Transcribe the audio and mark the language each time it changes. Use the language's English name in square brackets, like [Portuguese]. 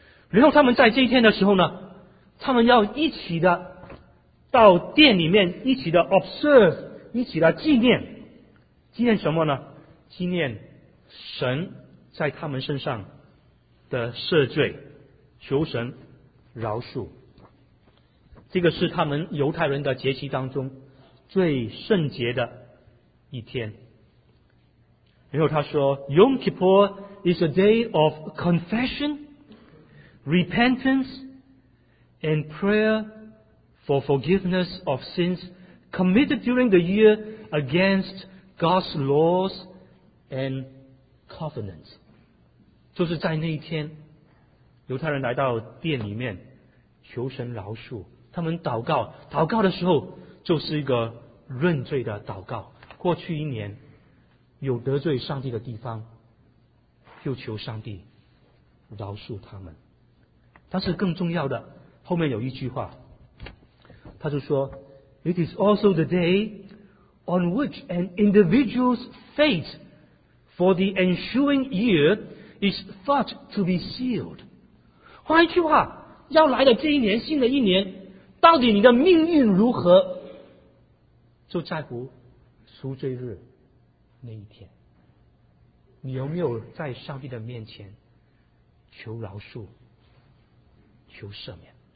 [Chinese] 然后他们在这一天的时候呢，他们要一起的到殿里面，一起的 observe， 一起的纪念。纪念什么呢？纪念神在他们身上的赦罪，求神饶恕。这个是他们犹太人的节期当中最圣洁的一天。然后他说 [English] Yom Kippur is a day of confession, repentance and prayer for forgiveness of sins committed during the year against God's laws and covenants. [Chinese] 就是在那一天，犹太人来到殿里面求神饶恕，他们祷告，祷告的时候就是一个认罪的祷告，过去一年有得罪上帝的地方，就求上帝饶恕他们。但是更重要的，后面有一句话，他就说 [English] It is also the day on which an individual's fate for the ensuing year is thought to be sealed. [Chinese] 换一句话，要来的这一年，新的一年，到底你的命运如何，就在乎赎罪日那一天，你有没有在上帝的面前求饶恕、求赦免？